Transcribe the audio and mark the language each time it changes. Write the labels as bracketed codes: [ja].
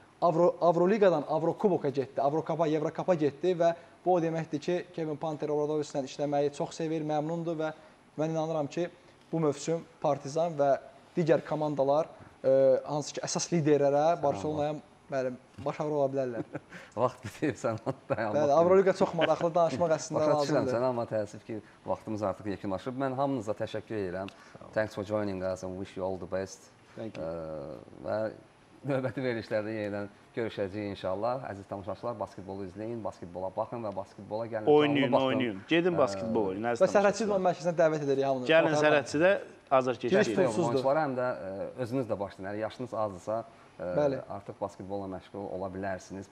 [az] Avroliqadan Avrokuboka getdi, Avrokapa, Evrokapa getdi və bu o deməkdir ki, Kevin Panter orada üstündən işləməyi çox sevir, məmnundur və mən inanıram ki, bu mövsüm Partizan və digər komandalar hansı ki, əsas liderlərə, Barcelona'ya başarır ola bilərlər. Vaxt bitir, sən dayanma. Bəli, Avroliqa çox maraqlı danışmaq əslində lazımdır. Başa düşürəm sənə, amma təəssüf ki, vaxtımız artıq yekunlaşıb. Mən hamınıza təşəkkür edirəm. [en] Thanks for joining us and wish you all the best. Thank you. [az] Növbəti verilişlərdə yenidən görüşəcəyik inşallah. Əziz tamaşaçılar, basketbolu izləyin, basketbola baxın və basketbola gəlin. Oynayın. Gedin basketbol oyunu. Və Sərhədçi idman mərkəzindən dəvət edirik hamını. Gəlin Sərhədçidə hazır keçirik. Giriş pulsuzdur. Oyunçuları həm də özünüz də başlayın. Yəni, yaşınız azdırsa artıq basketbolla məşğul ola bilərsiniz.